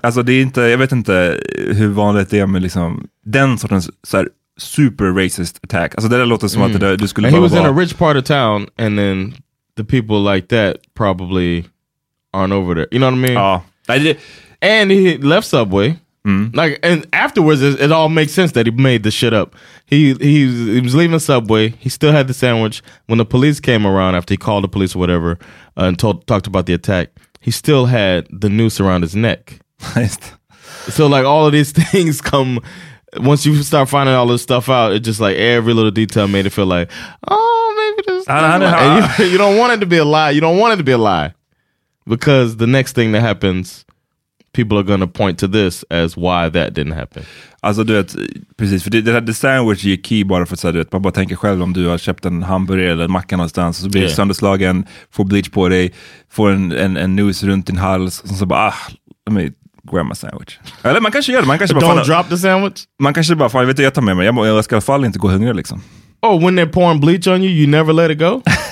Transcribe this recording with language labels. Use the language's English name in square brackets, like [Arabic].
[Swedish] Alltså det är inte, jag vet inte hur vanligt det är med liksom den sortens så här super racist attack. Alltså det där låter som att du skulle [English] bara, he was in a rich part of town, and then the people like that probably aren't over there. You know what I mean? Oh, and he left Subway. Like, and afterwards, it all makes sense that he made the shit up. He was leaving Subway. He still had the sandwich. When the police came around after he called the police or whatever and talked about the attack, he still had the noose around his neck. So, like, all of these things come... Once you start finding all this stuff out, it just, like, every little detail made it feel like, oh, maybe this... You don't want it to be a lie. You don't want it to be a lie. Because the next thing that happens... People are going to point to this as why that didn't happen. [Swedish] Alltså du vet, precis, för det här sandwich är ju key bara för att säga, du vet, man bara tänker själv om du har köpt en hamburgare eller en macka någonstans och så blir sönderslagen, får bleach på dig, får en noose runt din hals och så bara, ah, [English] let me grab my sandwich. [Swedish] Eller man kanske gör det, man kanske [English] bara... Don't drop the sandwich? [Swedish] Man kanske bara, fan, vet du, jag tar med mig, jag ska i alla fall inte gå hungrig liksom. [English] Oh, when they're pouring bleach on you, you never let it go?